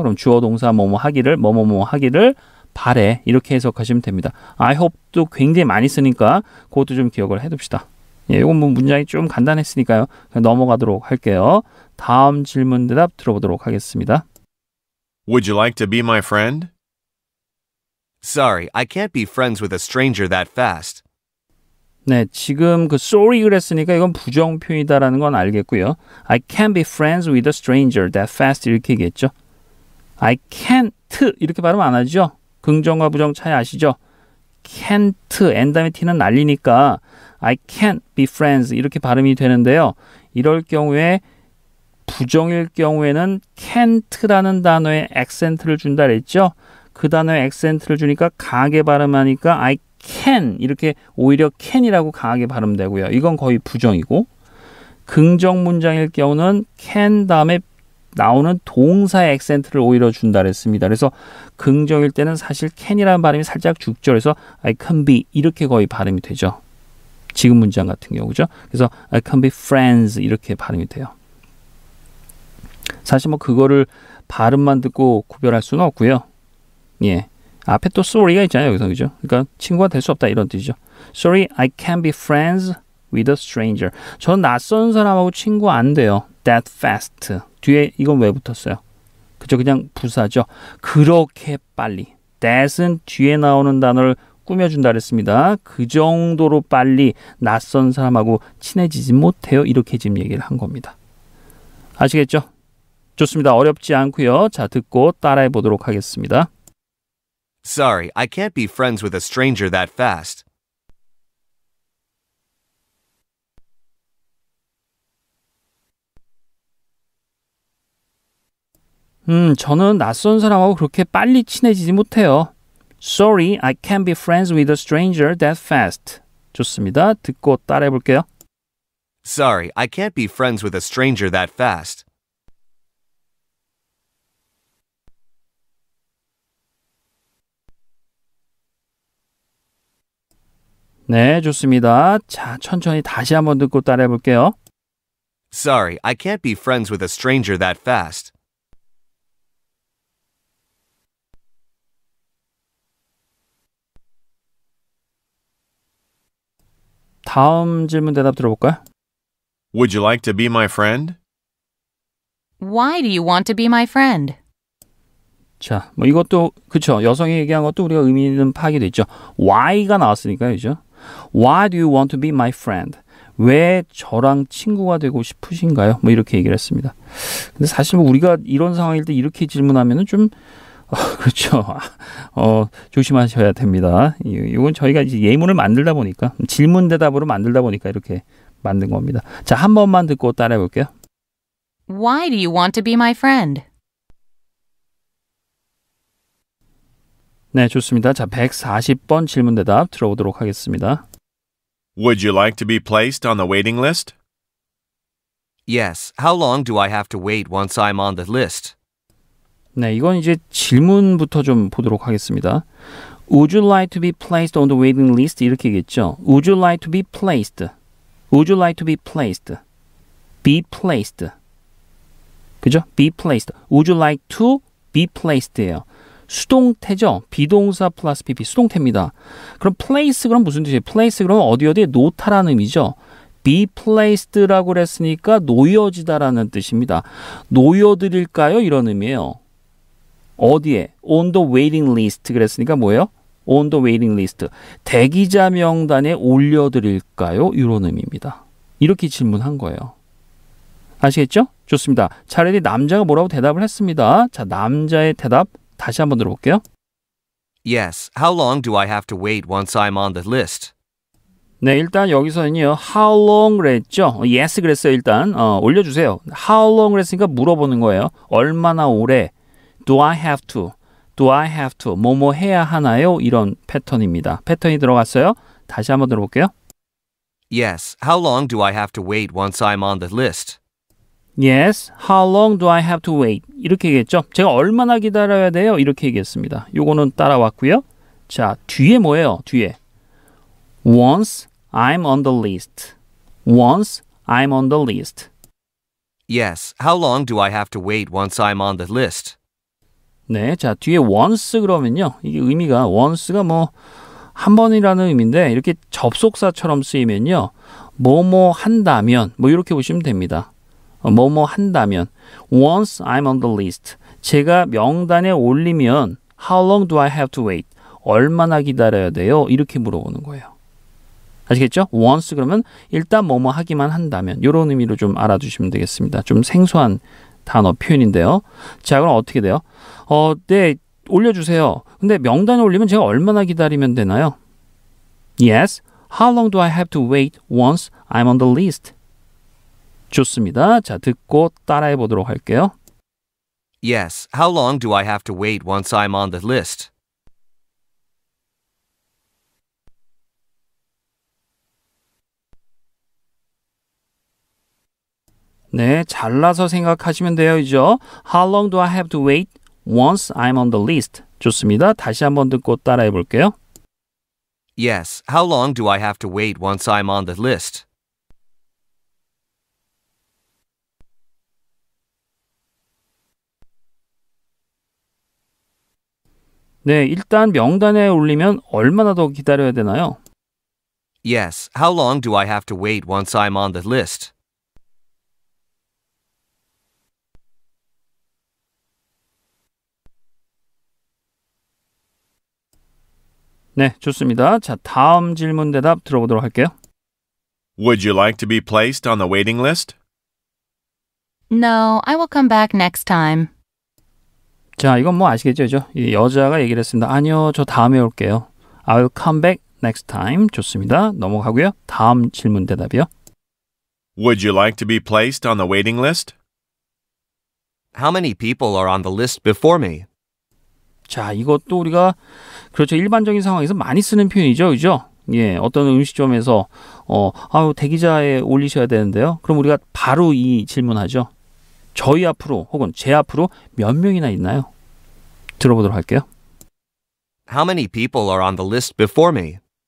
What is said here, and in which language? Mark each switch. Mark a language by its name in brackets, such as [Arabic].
[Korean] 그럼 주어동사 뭐뭐 하기를, 뭐뭐뭐 하기를 바래 이렇게 해석하시면 됩니다. [English] I hope [Korean] 도 굉장히 많이 쓰니까 그것도 좀 기억을 해둡시다. 예, 이건 뭐 문장이 좀 간단했으니까요. 그냥 넘어가도록 할게요. 다음 질문 대답 들어보도록 하겠습니다. [English] Would you like to be my friend? Sorry, I can't be friends with a stranger that fast. [Korean] 네, 지금 그 sorry 그랬으니까 이건 부정 표현이다라는 건 알겠고요. [English] I can't be friends with a stranger that fast [Korean] 이렇게 얘기했죠. [English] I can't [Korean] 이렇게 발음 안 하죠? 긍정과 부정 차이 아시죠? can't, n 다음에 t는 날리니까 [English] I can't be friends [Korean] 이렇게 발음이 되는데요. 이럴 경우에 부정일 경우에는 can't라는 단어에 액센트를 준다 그랬죠. 그 단어에 액센트를 주니까 강하게 발음하니까 [English] I can [Korean] 이렇게 오히려 can이라고 강하게 발음되고요. 이건 거의 부정이고 긍정 문장일 경우는 can 다음에 나오는 동사의 액센트를 오히려 준다 그랬습니다. 그래서 긍정일 때는 사실 can이라는 발음이 살짝 죽죠. 그래서 [English] I can be [Korean] 이렇게 거의 발음이 되죠. 지금 문장 같은 경우죠. 그래서 [English] I can be friends [Korean] 이렇게 발음이 돼요. 사실 뭐 그거를 발음만 듣고 구별할 수는 없고요. 예, 앞에 또 sorry가 있잖아요. 여기서 그죠? 그러니까 친구가 될 수 없다 이런 뜻이죠. [English] Sorry, I can't be friends with a stranger. [Korean] 저는 낯선 사람하고 친구 안 돼요. [English] That fast. [Korean] 뒤에 이건 왜 붙었어요? 그죠? 그냥 부사죠. 그렇게 빨리. That은 뒤에 나오는 단어를 꾸며준다 그랬습니다. 그 정도로 빨리 낯선 사람하고 친해지지 못해요. 이렇게 지금 얘기를 한 겁니다. 아시겠죠? 좋습니다. 어렵지 않고요. 자, 듣고 따라해 보도록 하겠습니다. [English] Sorry, I can't be friends with a stranger that fast. [Korean] "저는 낯선 사람하고 그렇게 빨리 친해지지 못해요. [English] Sorry, I can't be friends with a stranger that fast." [Korean] 좋습니다. 듣고 따라해 볼게요. [English] Sorry, I can't be friends with a stranger that fast. [Korean] 네, 좋습니다. 자, 천천히 다시 한번 듣고 따라해 볼게요. [English] Sorry, I can't be friends with a stranger that fast. [Korean] 다음 질문 대답 들어볼까요? [English] Would you like to be my friend? Why do you want to be my friend? [Korean] 자, 뭐 이것도 그쵸. 여성이 얘기한 것도 우리가 의미 있는 파악이 됐죠. Why가 나왔으니까요, 그죠? [English] Why do you want to be my friend? [Korean] 왜 저랑 친구가 되고 싶으신가요? 뭐 이렇게 얘기를 했습니다. 근데 사실 뭐 우리가 이런 상황일 때 이렇게 질문하면은 좀 그렇죠. 조심하셔야 됩니다. 이건 저희가 이제 예문을 만들다 보니까 질문 대답으로 만들다 보니까 이렇게 만든 겁니다. 자, 한 번만 듣고 따라해 볼게요. [English] Why do you want to be my friend? [Korean] 네, 좋습니다. 자, 140번 질문 대답 들어보도록 하겠습니다. [English] Would you like to be placed on the waiting list? Yes. How long do I have to wait once I'm on the list? [Korean] 네, 이건 이제 질문부터 좀 보도록 하겠습니다. [English] Would you like to be placed on the waiting list? [Korean] 이렇게 얘기했죠. [English] Would you like to be placed? Would you like to be placed? Be placed. 그죠? Be placed. Would you like to be placed예요. [Korean] 수동태죠. 비동사 플러스 PP. 수동태입니다. 그럼 place 그럼 무슨 뜻이에요? Place 그럼 어디 어디에 놓다라는 의미죠. Be placed라고 그랬으니까 놓여지다라는 뜻입니다. 놓여드릴까요? 이런 의미예요. 어디에? [English] On the waiting list. [Korean] 그랬으니까 뭐예요? [English] On the waiting list. [Korean] 대기자 명단에 올려드릴까요? 이런 의미입니다. 이렇게 질문한 거예요. 아시겠죠? 좋습니다. 차라리 남자가 뭐라고 대답을 했습니다. 자, 남자의 대답 다시 한번 들어볼게요. [English] Yes. How long do I have to wait once I'm on the list? [Korean] 네, 일단 여기서는요. [English] How long [Korean] 그랬죠? [English] Yes [Korean] 그랬어요. 일단 올려주세요. How long 그랬으니까 물어보는 거예요. 얼마나 오래? [English] Do I have to? Do I have to? [Korean] 뭐뭐 해야 하나요? 이런 패턴입니다. 패턴이 들어갔어요. 다시 한번 들어볼게요. [English] Yes. How long do I have to wait once I'm on the list? Yes. How long do I have to wait? [Korean] 이렇게 얘기했죠. 제가 얼마나 기다려야 돼요? 이렇게 얘기했습니다. 요거는 따라왔고요. 자, 뒤에 뭐예요? 뒤에. [English] Once I'm on the list. Once I'm on the list. Yes. How long do I have to wait once I'm on the list? [Korean] 네, 자, 뒤에 once 그러면요. 이게 의미가 once가 뭐 한 번이라는 의미인데 이렇게 접속사처럼 쓰이면요. 뭐뭐 한다면 뭐 이렇게 보시면 됩니다. 뭐뭐 한다면 [English] once I'm on the list. [Korean] 제가 명단에 올리면 [English] how long do I have to wait? [Korean] 얼마나 기다려야 돼요? 이렇게 물어보는 거예요. 아시겠죠? once 그러면 일단 뭐뭐 하기만 한다면 이런 의미로 좀 알아두시면 되겠습니다. 좀 생소한 단어 표현인데요. 자, 그럼 어떻게 돼요? 네, 올려주세요. 근데 명단에 올리면 제가 얼마나 기다리면 되나요? [English] Yes. How long do I have to wait once I'm on the list? [Korean] 좋습니다. 자, 듣고 따라해 보도록 할게요. [English] Yes. How long do I have to wait once I'm on the list? [Korean] 네, 잘라서 생각하시면 돼요, 이죠? [English] How long do I have to wait once I'm on the list? [Korean] 좋습니다. 다시 한번 듣고 따라해 볼게요. [English] Yes. How long do I have to wait once I'm on the list? Yes. How long do I have to wait once I'm on the list? [Korean] 네, 좋습니다. 자, 다음 질문 대답 들어보도록 할게요. [English] Would you like to be placed on the waiting list? No, I will come back next time. [Korean] 자, 이건 뭐 아시겠죠, 그렇죠? 이 여자가 얘기를 했습니다. 아니요, 저 다음에 올게요. [English] I will come back next time. [Korean] 좋습니다. 넘어가고요. 다음 질문 대답이요. [English] Would you like to be placed on the waiting list? How many people are on the list before me? [Korean] 자, 이것도 우리가 그렇죠. 일반적인 상황에서 많이 쓰는 표현이죠. 그죠? 예. 어떤 음식점에서 대기자에 올리셔야 되는데요. 그럼 우리가 바로 이 질문하죠. 저희 앞으로 혹은 제 앞으로 몇 명이나 있나요? 들어보도록 할게요. [English] How many people are on the list before me?